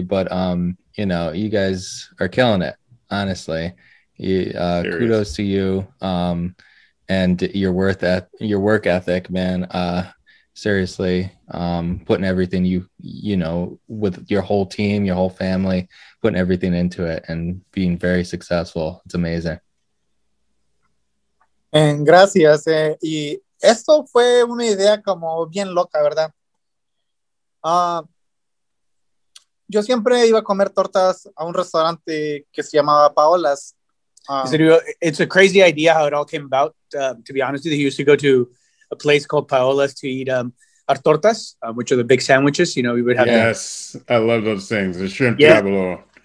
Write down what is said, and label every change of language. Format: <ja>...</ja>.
<en>But you know, you guys are killing it. Honestly, kudos to you and your work ethic, man. Seriously, putting everything you know, with your whole team, your whole family, putting everything into it and being very successful. It's amazing.</en> <es>And gracias. Y esto fue una idea como bien loca, ¿verdad? Yo siempre iba a comer tortas a un restaurante que se llamaba Paola's.</es> <en>It's a crazy idea how it all came about, to be honest with you. He used to go to a place called Paola's to eat our tortas, which are the big sandwiches. You know, we would have. Yes, I love those things. The shrimp tabouleau.</en>